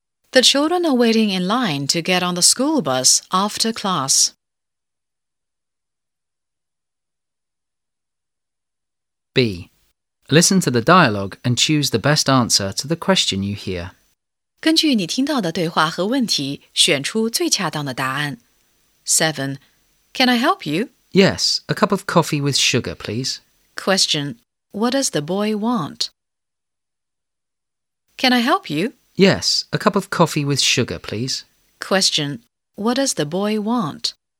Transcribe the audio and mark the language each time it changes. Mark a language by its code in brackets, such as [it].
[en] The children are waiting in line to get on the school bus after class. 7. Listen to the dialogue and choose the best answer to the question you hear. [zh] 根据你听到的对话和问题，选出最恰当的答案。 [en] 7. Can I help you? Yes, a cup of coffee with sugar, please. Question, what does the boy want? Can I help you? Yes, a cup of coffee with sugar, please. Question, what does the boy want?